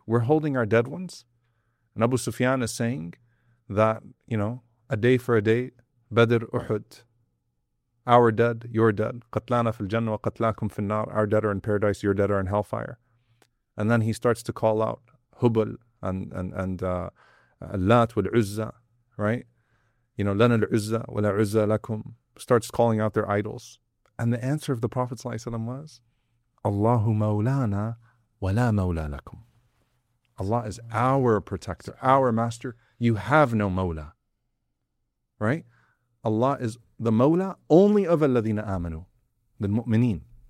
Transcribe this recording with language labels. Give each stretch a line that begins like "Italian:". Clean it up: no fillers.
English: We're holding our dead ones? And Abu Sufyan is saying that, you know, a day for a day, Badr, Uhud, Our dead, your dead.
Arabic: قَتْلَانَا فِي الْجَنَّةِ وَقَتْلَاكُمْ فِي النَّارِ.
English: Our dead are in paradise, your dead are in hellfire. And then he starts to call out Hubal and Lat wal Uzza, right? You know,
Arabic: لَنَا الْعُزَّةَ وَلَا عُزَّةَ لَكُمْ.
English: Starts calling out their idols. And the answer of the Prophet ﷺ was,
Arabic: اللَّهُ مَوْلَانَا وَلَا مَوْلَى لَكُمْ.
English: Allah is our protector, our master. You have no mawla, right? Allah is the mawla only of
Arabic: الَّذِينَ آمَنُوا,
English: the mu'mineen.